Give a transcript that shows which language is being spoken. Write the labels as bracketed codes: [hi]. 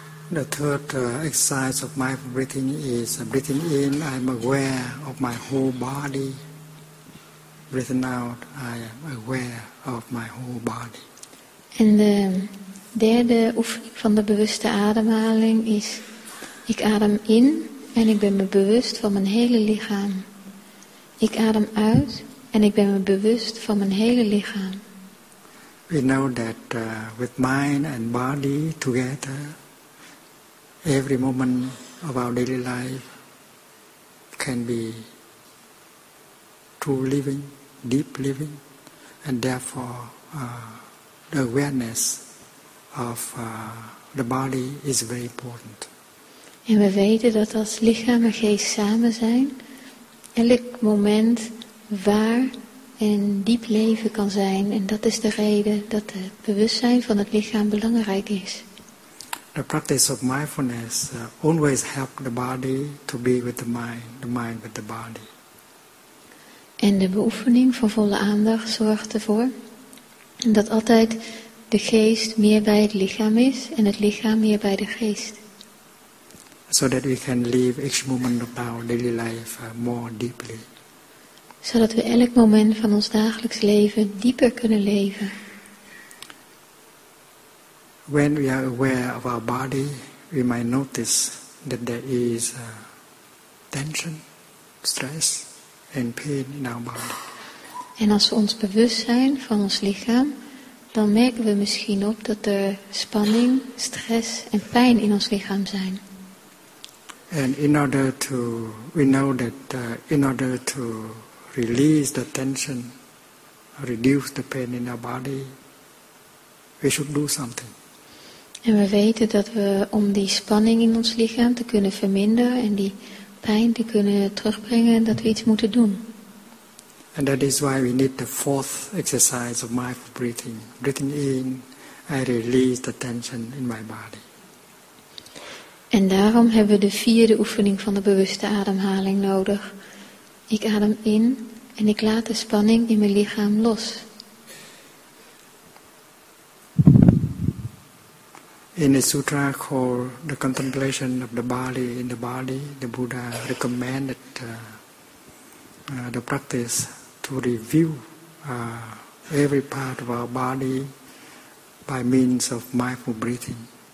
[en] The third exercise of my breathing is breathing in, I'm aware of my whole body. Breathing out, I am aware of my whole body. [nl] En de derde oefening van de bewuste ademhaling is, ik adem in en ik ben me bewust van mijn hele lichaam. Ik adem uit en ik ben me bewust van mijn hele lichaam. [en] We know that with mind and body together, every moment of our daily life can be true living, deep living, and therefore the awareness of the body is very important. [nl] En we weten dat als lichaam en geest samen zijn, elk moment waar en diep leven kan zijn, en dat is de reden dat het bewustzijn van het lichaam belangrijk is. [en] The practice of mindfulness always helps the body to be with the mind with the body. [nl] En de beoefening van volle aandacht zorgt ervoor dat altijd de geest meer bij het lichaam is en het lichaam meer bij de geest. [en] So that we can live each moment of our daily life more deeply. [nl] Zodat we elk moment van ons dagelijks leven dieper kunnen leven. [en] When we are aware of our body, we might notice that there is tension, stress, and pain in our body. [nl] En als we ons bewust zijn van ons lichaam, dan merken we misschien op dat er spanning, stress en pijn in ons lichaam zijn. [en] And in order to, we know that in order to release the tension, reduce the pain in our body, we should do something. [nl] En we weten dat we om die spanning in ons lichaam te kunnen verminderen en die pijn te kunnen terugbrengen en dat we iets moeten doen. [en] And that is why we need the fourth exercise of mindful breathing. Breathing in, I release the tension in my body. [nl] En daarom hebben we de vierde oefening van de bewuste ademhaling nodig. Ik adem in en ik laat de spanning in mijn lichaam los. [en] In a sutra called The Contemplation of the Body in the Body, the Buddha recommended the practice to review every part of our body by means of mindful breathing.